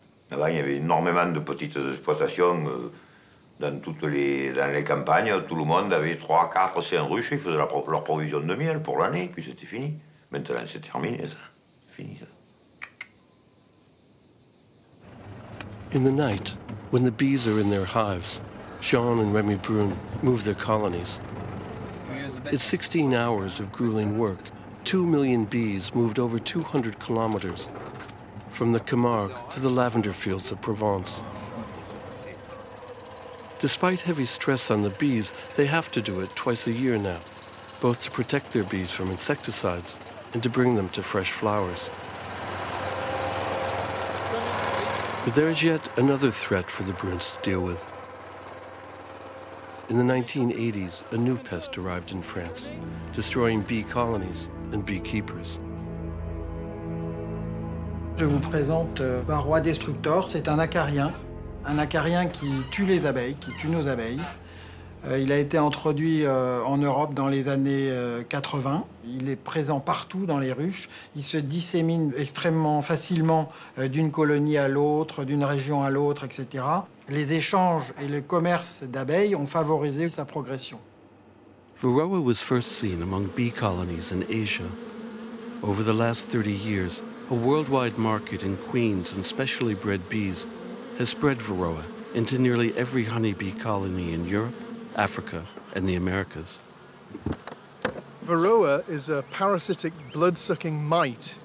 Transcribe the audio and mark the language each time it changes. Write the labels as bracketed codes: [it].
[fr] Avant, il y avait énormément de petites exploitations dans toutes les campagnes. Tout le monde avait 3, 4, 5 ruches. Ils faisaient leur provision de miel pour l'année, puis c'était fini. Maintenant, c'est terminé, ça. Fini, ça. [en] In the night, when the bees are in their hives, Sean and Remy Brun move their colonies. It's 16 hours of grueling work. 2 million bees moved over 200 kilometers from the Camargue to the lavender fields of Provence. Despite heavy stress on the bees, they have to do it twice a year now, both to protect their bees from insecticides and to bring them to fresh flowers. But there is yet another threat for the Bruns to deal with. In the 1980s, a new pest arrived in France, destroying bee colonies and beekeepers. [fr] Je vous présente un roi destructeur, c'est un acarien. Un acarien qui tue les abeilles, qui tue nos abeilles. Il a été introduit en Europe dans les années 80. Il est présent partout dans les ruches. Il se dissémine extrêmement facilement d'une colonie à l'autre, d'une région à l'autre, etc. Les échanges et le commerce d'abeilles ont favorisé sa progression. [en] Varroa was first seen among bee colonies in Asia. Over the last 30 years, a worldwide market in queens and specially bred bees has spread varroa into nearly every honeybee colony in Europe, Africa, and the Americas. Varroa is a parasitic blood-sucking mite.